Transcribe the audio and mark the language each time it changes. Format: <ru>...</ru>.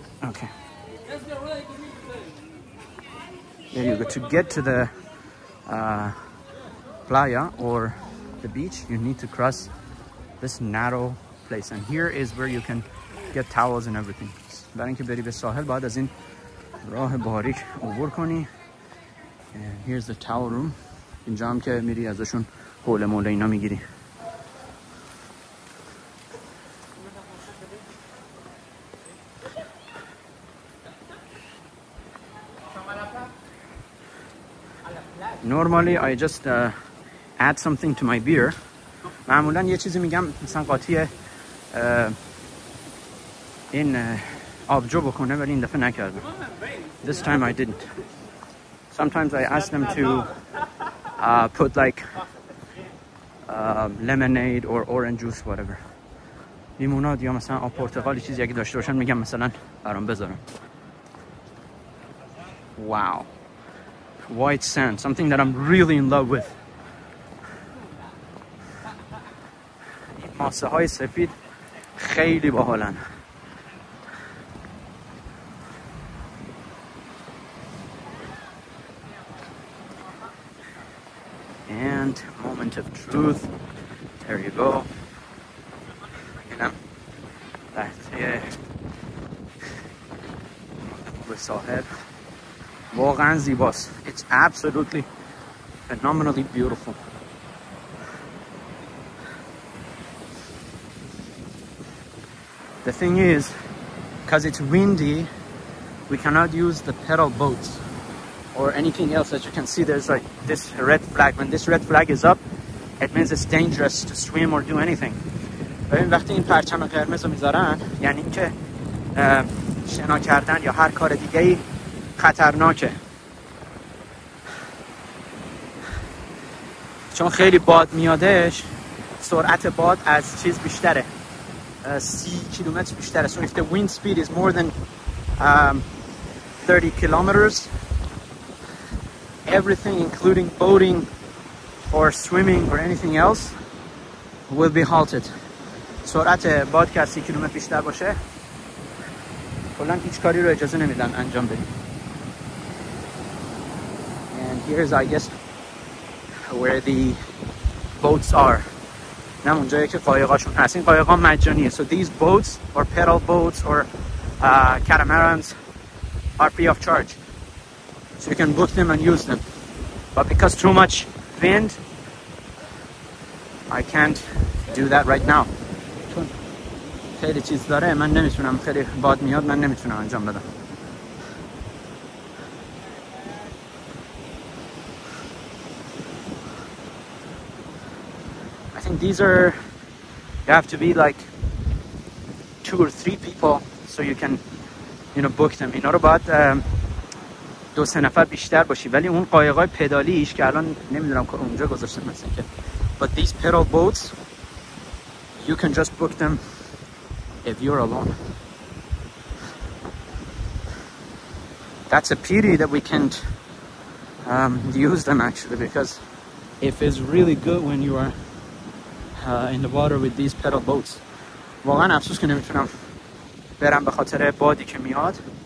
<en>Okay. There you go. To get to the playa or the beach, you need to cross this narrow place. And here is where you can get towels and everything.</en> <fa>برای اینکه بری به ساحل باید از این راه باریک عبور کنی.</fa> <en>And here's the towel room.</en> <fa>اینجا هم که میری ازشون حول موله اینا میگیری.</fa> <en>Normally I just add something to my beer.</en> <fa>معمولا یه چیزی میگم مثلا قاطی این آبجو بکنه ولی این دفعه نکردم.</fa> <en>This time I didn't. Sometimes I ask them to put like lemonade or orange juice whatever.</en> <fa>لیموناد یا مثلا آب پرتقال چیزی اگه داشته باشن میگم مثلا برام بذارن.</fa> <en>Wow. White sand, something that I'm really in love with.</en> <fa>ماسه های سفید خیلی باحالن.</fa> <en>And moment of truth. There you go.</en> <fa>اینم لحظه به ساحل. واقعا زیباست.</fa> <en>It's absolutely phenomenally beautiful. The thing is, because it's windy, we cannot use the pedal boats or anything else. As you can see, there's like this red flag. When this red flag is up, it means it's dangerous to swim or do anything.</en> <fa>ببین وقتی این پرچم قرمز رو میذارن یعنی که شنا کردن یا هر کار دیگه ای خطرناکه. چون خیلی باد میادش سرعت باد از چیز بیشتره 30 کیلومتر بیشتره.</fa> <en>So if the wind speed is more than 30 kilometers, everything including boating or swimming or anything else will be halted.</en> <fa>سرعت باد که از 30 کیلومتر بیشتر باشه کلا هیچ کاری رو اجازه نمیدن انجام بدیم.</fa> <en>And here's I guess where the boats are.</en> <fa>نم اونجایی که قایقاشون هست. این قایقا مجانیه.</fa> <en>So these boats or pedal boats or catamarans are free of charge. So you can book them and use them. But because too much wind, I can't do that right now.</en> <fa>خیلی چیز داره. من نمیتونم. خیلی باد میاد. من نمیتونم انجام بدم.</fa> <en>These are, you have to be like two or three people so you can, you know, book them.</en> <fa>اینا رو باید دو سه نفر بیشتر باشی. ولی اون قایقای پدالیش که الان نمیدونم که اونجا گذاشتن مثلا که.</fa> <en>But these pedal boats, you can just book them if you're alone. That's a pity that we can't use them actually, because if it's really good when you are in the water with these pedal boats.</en> <fa>واقعا افسوس که نمیتونم برم به خاطر بادی که میاد.</fa>